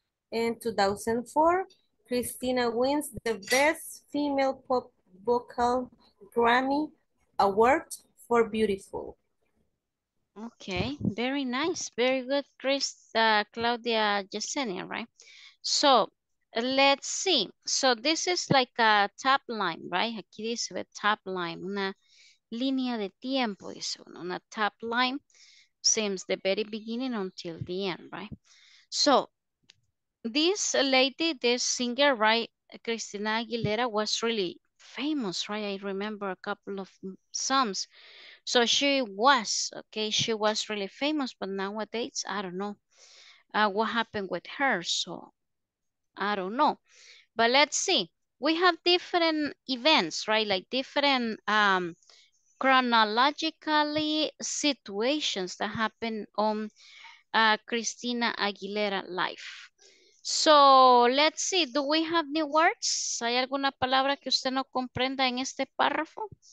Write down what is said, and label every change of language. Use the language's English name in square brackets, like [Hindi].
[English] In 2004, Christina wins the Best Female Pop Vocal Grammy Award for Beautiful. Okay, very nice. Very good, Chris, Claudia Yesenia, right? So let's see. So this is like a top line, right? [Spanish] Aquí dice [English] a top line, [Spanish] una línea de tiempo, dice uno, una top line. [English] Since the very beginning until the end, right? So this lady, this singer, right, Christina Aguilera, was really famous, right? I remember a couple of songs. So she was really famous, but nowadays I don't know what happened with her. So I don't know, but let's see, we have different events, right? Like different chronologically situations that happen on Christina Aguilera life. So let's see, do we have new words? [Spanish] ¿Hay alguna palabra que usted no comprenda en este párrafo?